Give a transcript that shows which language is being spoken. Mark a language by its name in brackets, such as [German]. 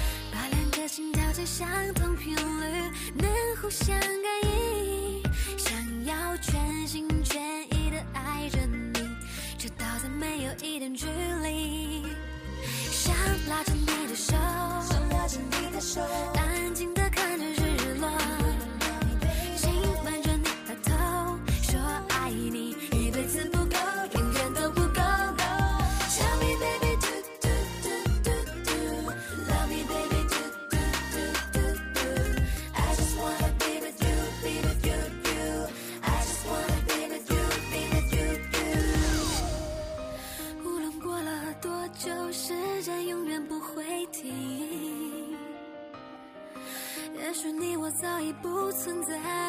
[Chinese] 把两个心跳成相同频率，能互相感应，想要全心全意的爱着你，直到再没有一点距离。想拉着你的手，想拉着你的手，安静的看着日落，亲吻着你的头，说爱你，一辈子不够，永远都不够。 [English] No, tell me baby do do do do do, love me baby do do do do do, I just wanna be with you, be with you, you, I just wanna be with you, be with you, you. [Chinese] 无论过了多久，时间永远不会停。也许你我早已不存在。